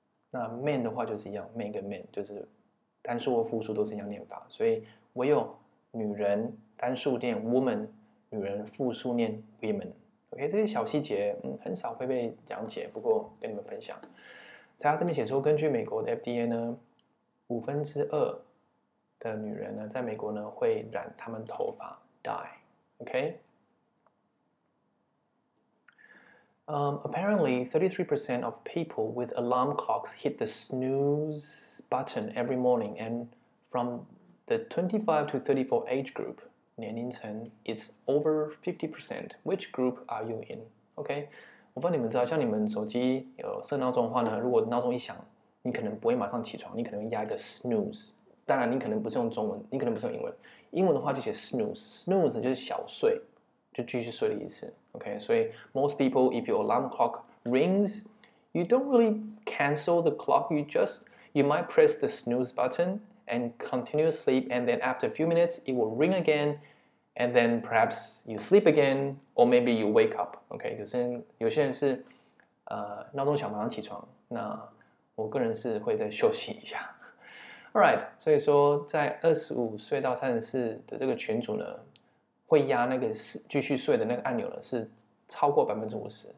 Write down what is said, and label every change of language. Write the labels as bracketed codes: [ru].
[zh] 那 man 的话就是一样，每个 man 就是单数或复数都是一样念法，所以唯有女人单数念 woman， 女人复数念 women。 OK， 这些小细节，很少会被讲解，不过跟你们分享。在他这边写说，根据美国的 FDA 呢，五分之二的女人呢，在美国呢会染她们头发 dye。 OK。 [en] Apparently, 33% of people with alarm clocks hit the snooze button every morning, and from the 25 to 34 age group, [zh] 年龄层, [en] it's over 50%. Which group are you in? [zh] Okay, 我不知道你们知道，像你们手机有设闹钟的话呢，如果闹钟一响，你可能不会马上起床，你可能压一个 snooze。当然，你可能不是用中文，你可能不是用英文。英文的话就写 snooze， snooze 就是小睡。就继续睡的意思 ，OK。所以 [en] most people, if your alarm clock rings, you don't really cancel the clock. You might press the snooze button and continue sleep. And then after a few minutes, it will ring again. And then perhaps you sleep again, or maybe you wake up. OK。 [zh] 有些人是闹钟响马上起床。那我个人是会再休息一下。 [en] All right。 [zh] 所以说，在25岁到34的这个群组呢。会压那个继续睡的那个按钮呢，是超过 50%。